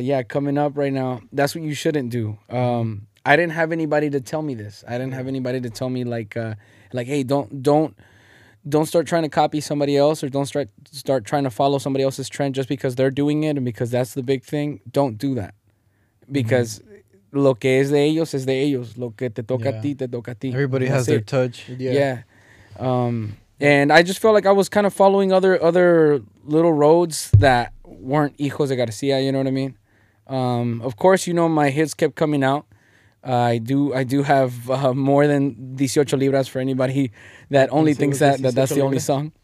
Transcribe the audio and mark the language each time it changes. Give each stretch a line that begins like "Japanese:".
English: Yeah, coming up right now. That's what you shouldn't do. I didn't have anybody to tell me this. I didn't have anybody to tell me like, hey, don't start trying to copy somebody else, or don't start trying to follow somebody else's trend just because they're doing it and because that's the big thing. Don't do that, because. Mm-hmm.
Spanish: Lo que es de ellos, lo que te toca a ti, te toca a ti.
English: Everybody has their touch. Yeah. And I just felt like I was kind of following other little roads that weren't Hijos de García, you know what I mean? Of course, you know, my hits kept coming out. I do have more than 18 libras for anybody that only thinks that that's libras. The only song.